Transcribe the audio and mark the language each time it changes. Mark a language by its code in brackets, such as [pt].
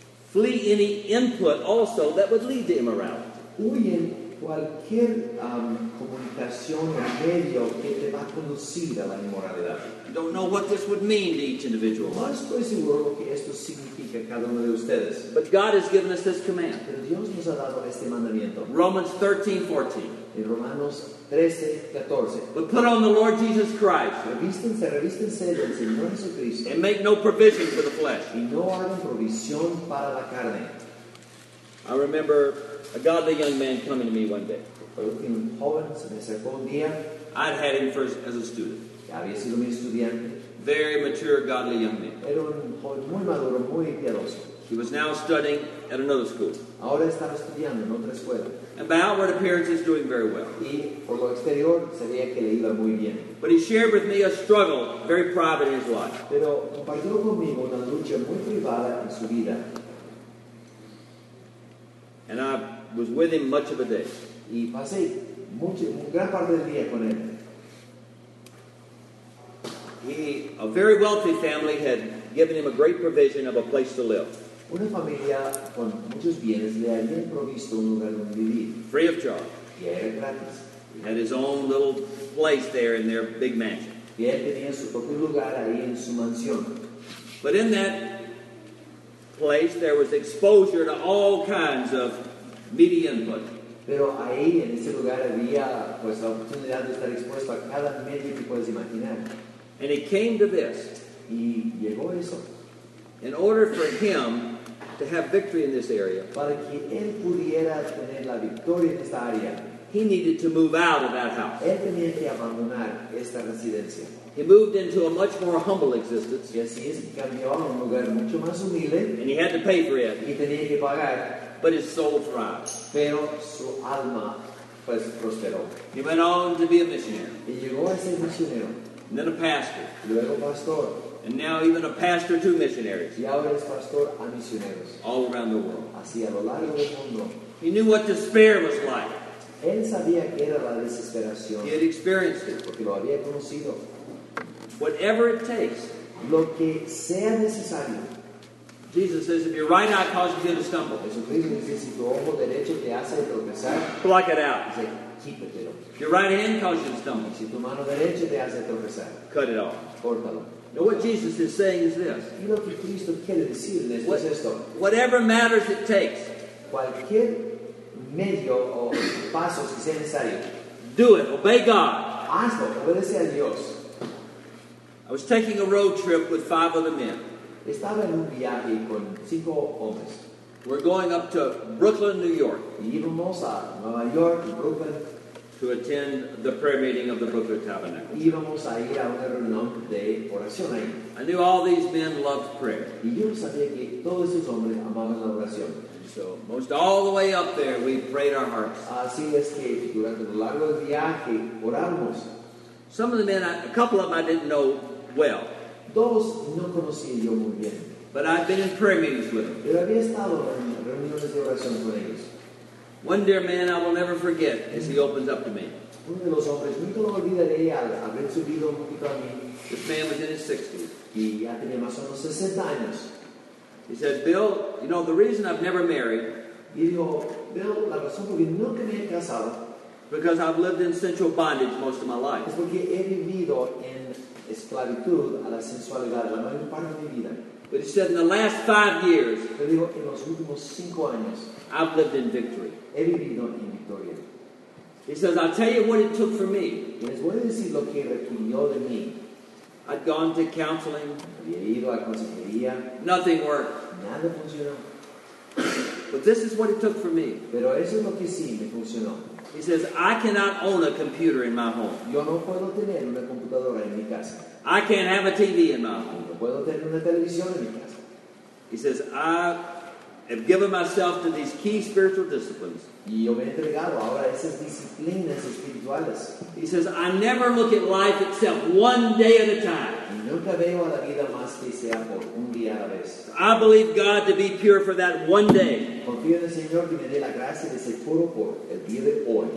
[en] Flee any input also that would lead to immorality. [es] Huye cualquier comunicación o medio que te va a conducir a la inmoralidad. [en] You don't know what this would mean to each individual. [es] No estoy seguro lo que esto significa a cada uno de ustedes. [en] But God has given us this command. [es] Pero Dios nos ha dado este mandamiento. [en] Romans 13:14. [es] En Romanos 13, 14. [en] But put on the Lord Jesus Christ. [es] Revístense, revístense del Señor Jesucristo. [en] And make no provision for the flesh. [es] Y no hagan provisión para la carne. [en] I remember a godly young man coming to me one day. [es] Un joven se me acercó un día. [en] I'd had him first as a student. [es] Ya había sido mi estudiante. [en] Very mature, godly young man. [es] Era un joven muy maduro, muy piadoso. [en] He was now studying at another school. [es] Ahora estaba estudiando en otra escuela. [en] And by outward appearance, he's doing very well. [es] Y por lo exterior, se veía que le iba muy bien. [en] But he shared with me a struggle, very private in his life. [es] Pero compartió conmigo una lucha muy privada en su vida. [en] And I was with him much of a day. [es] Y pasé mucho, gran parte del día con él. [en] He, a very wealthy family, had given him a great provision of a place to live. [es] Una familia con muchos bienes le había provisto un lugar donde vivir. [en] Free of charge. [es] Y era gratis. [en] He had his own little place there in their big mansion. [es] Y él tenía su propio lugar ahí en su mansión. [en] But in that place, there was exposure to all kinds of media input. [es] Pero ahí, en ese lugar, había pues la oportunidad de estar expuesto a cada medio que puedes imaginar. [en] And it came to this. [es] Y llegó eso. [en] In order for him to have victory in this area, [es] para que él pudiera tener la victoria en esta área, [en] he needed to move out of that house. [es] Él tenía que abandonar esta residencia. [en] He moved into a much more humble existence. [es] Y así es, cambió a un lugar mucho más humilde. [en] And he had to pay for it. [es] Y tenía que pagar. [en] But his soul thrived. [es] Pero su alma pues prosperó. [en] He went on to be a missionary. [es] Y llegó a ser misionero. [en] And then a pastor. [es] Luego pastor. [en] And now even a pastor to missionaries. [es] Y ahora es pastor a misioneros. [en] All around the world. [es] Así a lo largo del mundo. [en] He knew what despair was like. [es] Él sabía que era la desesperación. [en] He had experienced it. [es] Porque lo había conocido. [en] Whatever it takes. [es] Lo que sea necesario. [en] Jesus says, if your right eye causes you to stumble. [es] Jesucristo dice, si tu ojo derecho te hace tropezar. [en] Pluck it out. [es] Dice, quítatelo. [en] If your right hand causes you to stumble. [es] Si tu mano derecha te hace tropezar. [en] Cut it off. [es] Córtalo. [en] Now what Jesus is saying is this. [es] Y lo que Cristo quiere decir es what, esto. [en] Whatever matters it takes. [es] Cualquier medio o pasos que sea necesario. [en] Do it. Obey God. [es] Hazlo. Obedece a Dios. [en] I was taking a road trip with five other men. [es] Estaba en un viaje con cinco hombres. [en] We're going up to Brooklyn, New York. [es] Y íbamos a Nueva York, Brooklyn. [en] To attend the prayer meeting of the Brooklyn Tabernacle. [es] Y íbamos a ir a una reunión de oración ahí. [en] I knew all these men loved prayer. [es] Y yo sabía que todos esos hombres amaban la oración. [en] So most all the way up there, we prayed our hearts. [es] Así es que durante el largo del viaje, orábamos. [en] Some of the men, a couple of them I didn't know well. [es] Dos no conocía yo muy bien. [en] But I've been in prayer meetings with them. [es] Pero había estado en reuniones de oración con ellos. [en] One dear man I will never forget as he opens up to me. [es] Uno de los hombres, nunca lo olvidaré al haber subido un poquito a mí. [en] This man was in his 60s. [es] Y ya tenía más o menos 60 años. [en] He said, Bill, you know, the reason I've never married. [es] Y dijo, Bill, la razón por la que nunca me he casado. [en] Because I've lived in sensual bondage most of my life. [es] Es porque he vivido en esclavitud a la sensualidad la mayor parte de mi vida. [en] But he said, in the last 5 years, [es] pero digo, en los últimos 5 años, [en] I've lived in victory. [es] He vivido en victoria. [en] He says, I'll tell you what it took for me. [es] Les voy a decir lo que requirió de mí. [en] I'd gone to counseling. [es] Había ido a consejería. [en] Nothing worked. [es] Nada funcionó. [en] But this is what it took for me. [es] Pero eso es lo que sí me funcionó. [en] He says, I cannot own a computer in my home. [es] Yo no puedo tener una computadora en mi casa. [en] I can't have a TV in my home. [es] No puedo tener una televisión en mi casa. [en] He says, I have given myself to these key spiritual disciplines. [es] Y yo me he entregado ahora a esas disciplinas espirituales. [en] He says, I never look at life except one day at a time. [es] Y nunca veo a la vida más que sea por un día a la vez. [en] I believe God to be pure for that one day. [es] Confío en el Señor que me dé la gracia de ser puro por el día de hoy.